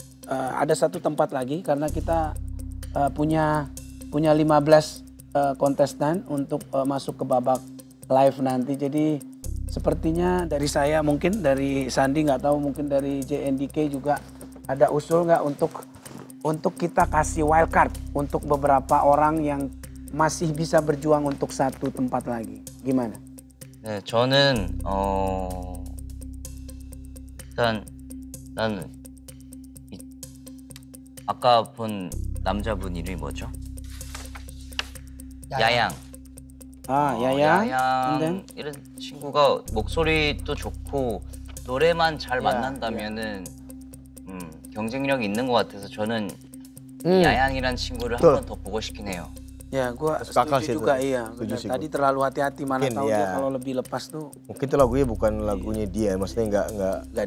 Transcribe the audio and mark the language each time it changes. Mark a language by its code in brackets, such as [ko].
[id] Ada satu tempat lagi karena kita punya 15 kontestan untuk masuk ke babak live nanti. Jadi sepertinya dari saya, mungkin dari Sandi, nggak tahu, mungkin dari JNDK juga ada usul nggak untuk kita kasih wild card untuk beberapa orang yang masih bisa berjuang untuk satu tempat lagi. Gimana? [ko] Nah, 저는 일단 나는 아까 본 남자분 이름이 뭐죠? 야양. 아, 야양. 야양 이런 친구가 목소리도 좋고 노래만 잘 만난다면은 경쟁력 있는 것 같아서 저는 야양이란 친구를 한 번 더 보고 싶긴 해요. 야, 그거 스카카시 [id] juga iya. Tadi terlalu hati-hati, mana tahu dia kalau lebih lepas tuh. Mungkin itu lagunya bukan lagunya dia, maksudnya enggak